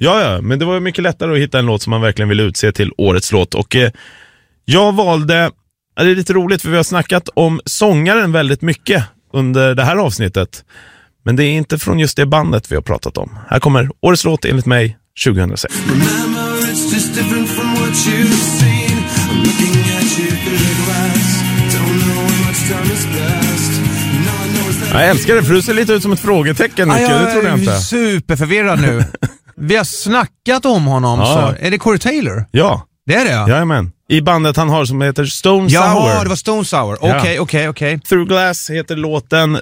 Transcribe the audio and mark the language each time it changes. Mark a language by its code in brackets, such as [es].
[sv] Ja, ja, men det var mycket lättare att hitta en låt som man verkligen ville utse till årets låt. Och jag valde... Det är lite roligt, för vi har snackat om sångaren väldigt mycket under det här avsnittet. Men det är inte från just det bandet vi har pratat om. Här kommer årets låt enligt mig 2006. [en] Remember, it's just different from what you've seen. I'm looking at you through the glass. Don't know how much time is best. [sv] Jag älskar det, för du ser lite ut som ett frågetecken. Aj, jag tror inte. Är superförvirrad nu. Vi har snackat om honom. Ja. Så. Är det Corey Taylor? Ja. Det är det, ja. Jajamän. I bandet han har som heter Stone Sour. Ja, det var Stone Sour. Okej, okej, okej. Through Glass heter låten.